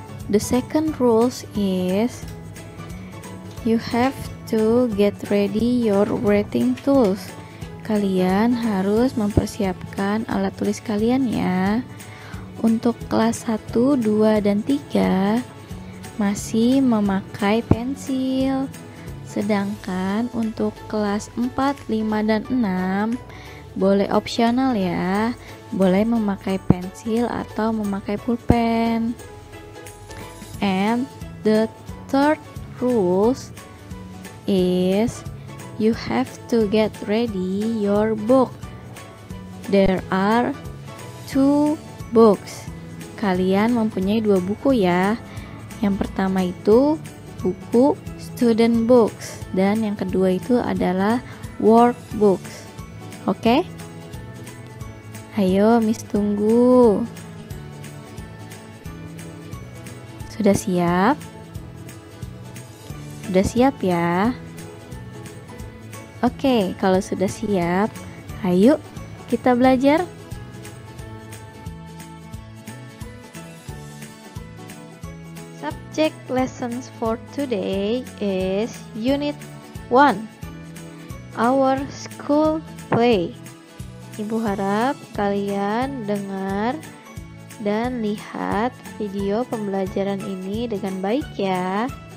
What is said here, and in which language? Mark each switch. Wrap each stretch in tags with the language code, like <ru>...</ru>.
<en>The second rule is you have to get ready your writing tools.</en> <id>Kalian harus mempersiapkan alat tulis kalian ya. Untuk kelas 1, 2, dan 3 masih memakai pensil. Sedangkan untuk kelas 4, 5, dan 6 boleh opsional ya. Boleh memakai pensil atau memakai pulpen.</id> <en>And the third rules is you have to get ready your book. There are two books.</en> <id>Kalian mempunyai dua buku ya. Yang pertama itu buku student books dan yang kedua itu adalah workbooks. Oke? Ayo, Miss tunggu. Sudah siap? Sudah siap ya? Oke, kalau sudah siap, ayo kita belajar.</id> <en>Subject lessons for today is Unit 1, Our School Play.</en> <id>Ibu harap kalian dengar dan lihat video pembelajaran ini dengan baik ya.</id>